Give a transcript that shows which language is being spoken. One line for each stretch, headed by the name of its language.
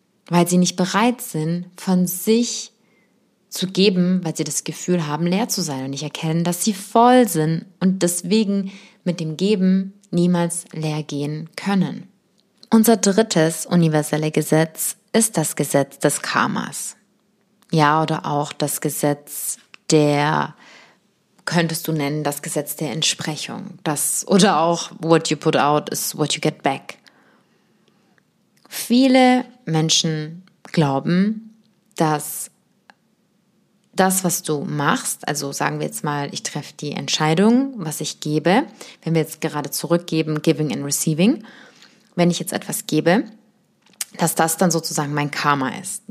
German: Weil sie nicht bereit sind, von sich zu geben, weil sie das Gefühl haben, leer zu sein und nicht erkennen, dass sie voll sind und deswegen mit dem Geben niemals leer gehen können. Unser drittes universelle Gesetz ist das Gesetz des Karmas. Ja, oder auch das Gesetz das Gesetz der Entsprechung. Oder auch,
English: what you put out is what you get back.
German: Viele Menschen glauben, dass das, was du machst, also sagen wir jetzt mal, ich treffe die Entscheidung, was ich gebe, wenn wir jetzt gerade zurückgeben,
English: giving and receiving,
German: wenn ich jetzt etwas gebe, dass das dann sozusagen mein Karma ist.